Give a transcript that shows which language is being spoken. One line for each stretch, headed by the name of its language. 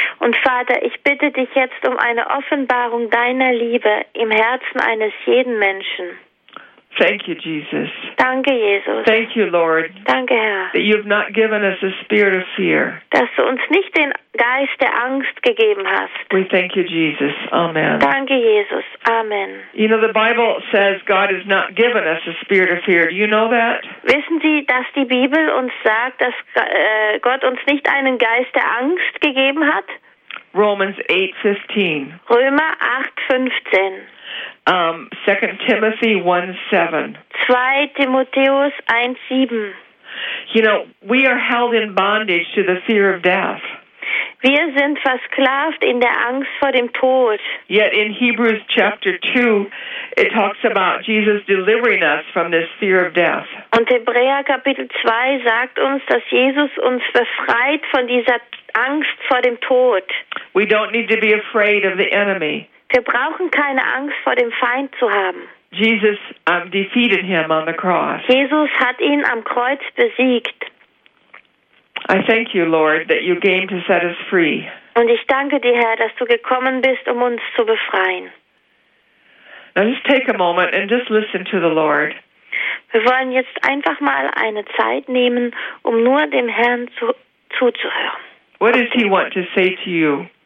German: Und Vater, ich bitte dich jetzt um eine Offenbarung deiner Liebe im Herzen eines jeden Menschen.
English: Thank you, Jesus.
German: Danke, Jesus.
English: Thank you, Lord.
German: Danke, Herr.
English: That you have not given us a spirit of fear.
German: Dass du uns nicht den Geist der Angst gegeben hast.
English: We thank you, Jesus. Amen.
German: Danke, Jesus. Amen.
English: You know, the Bible says God has not given us a spirit of fear. Do you know that?
German: Wissen Sie, dass die Bibel uns sagt, dass Gott uns nicht einen Geist der Angst gegeben hat?
English: Romans 8:15.
German: Römer 8:15.
English: 2 Timothy 1:7.
German: 2 Timotheus 1:7.
English: You know, we are held in bondage to the fear of death.
German: Wir sind versklavt in der Angst vor dem Tod.
English: Yet in Hebrews chapter 2, it talks about Jesus delivering us from this fear of death.
German: Und Hebräer Kapitel 2 sagt uns, dass Jesus uns befreit von dieser Angst vor dem Tod.
English: We don't need to be afraid of the enemy.
German: Wir brauchen keine Angst vor dem Feind zu haben.
English: Jesus defeated him on the cross.
German: Jesus hat ihn am Kreuz besiegt.
English: I thank you, Lord, that you came to set us free.
German: Und ich danke dir, Herr, dass du gekommen bist, um uns zu befreien.
English: Now just take a moment and just listen to the Lord.
German: Wir wollen jetzt einfach mal eine Zeit nehmen, um nur dem Herrn zuzuhören.
English: What does he want to say to you?